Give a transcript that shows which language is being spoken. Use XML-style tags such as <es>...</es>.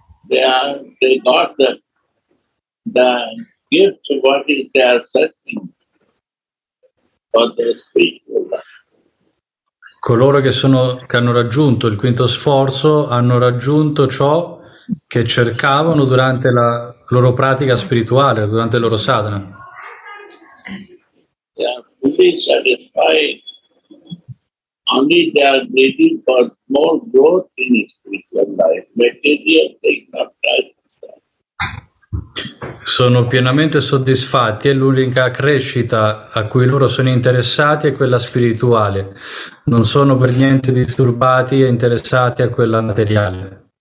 <en>They got the gift of what is their setting for their spiritual life.</en> <it>Coloro che hanno raggiunto il quinto sforzo hanno raggiunto ciò che cercavano durante la loro pratica spirituale, durante il loro sadhana.</it> <en>They are fully satisfied. Only they are ready for more growth in spiritual life. Material things are present.</en> <it>Sono pienamente soddisfatti e l'unica crescita a cui loro sono interessati è quella spirituale. Non sono per niente disturbati e interessati a quella materiale.</it>